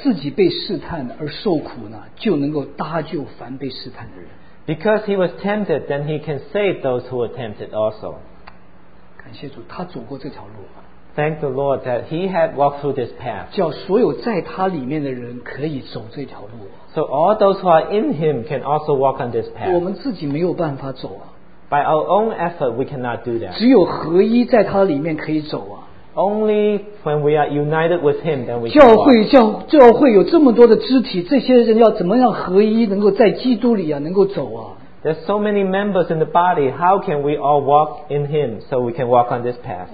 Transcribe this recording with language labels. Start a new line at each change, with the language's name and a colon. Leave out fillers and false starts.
Chinese: 他既然自己被试探而受苦呢, 就能够搭救凡被试探的人。
English: Because he was tempted, then he can save those who were tempted also.
Chinese: 感谢主, 他走过这条路,
English: thank the Lord that he had walked through this path.
Chinese: 叫所有在他里面的人可以走这条路,
English: so all those who are in him can also walk on this path.
Chinese: 我们自己没有办法走,
English: by our own effort, we cannot do that.
Chinese: 只有合一在他里面可以走,
English: only when we are united with him, then we can.
Chinese: 教会有这么多的肢体, 这些人要怎么样合一, 能够在基督里啊, 能够走啊。
English: There's so many members in the body, how can we all walk in him so we can walk on this path?